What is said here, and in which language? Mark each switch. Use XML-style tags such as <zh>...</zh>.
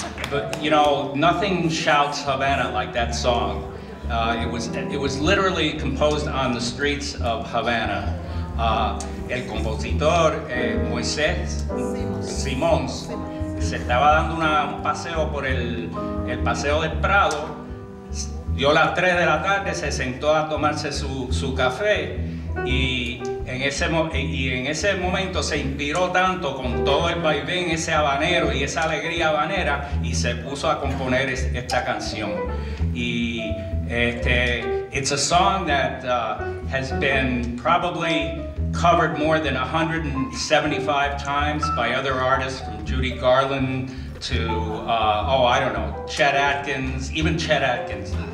<en>But you know, nothing shouts Havana like that song. It was literally composed on the streets of Havana.</en> <es>El compositor Moisés Simón se estaba dando un paseo por el paseo del Prado. Dio las 3 de la tarde, se sentó a tomarse su café, y en ese momento se inspiró tanto con todo el vaivén, ese habanero y esa alegría habanera, y se puso a componer esta canción. Y</es> <en>It's a song that has been probably covered more than 175 times by other artists, from Judy Garland to, Chet Atkins, even Chet Atkins.</en>